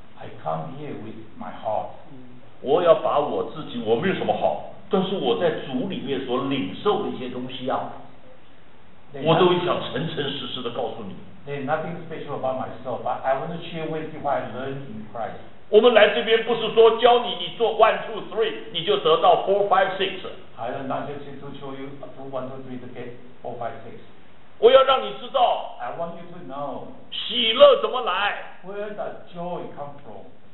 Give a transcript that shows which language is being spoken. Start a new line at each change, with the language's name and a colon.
English: I come here with my heart
Chinese: 我要把我自己我没有什么好都是我在主里面所领受的一些东西啊，我都想诚诚实实的告诉你。
English: There's nothing special about myself, but I want to share with you what I learned in Christ.
Chinese: 我们来这边不是说教你，你做
English: one, two, three,
Chinese: 你就得到
English: four, five, six. I am not just to show you do one, two, three to get four, five, six.
Chinese: 我要让你知道
English: I want you to know
Chinese: 喜乐怎么来
English: Where does joy come from?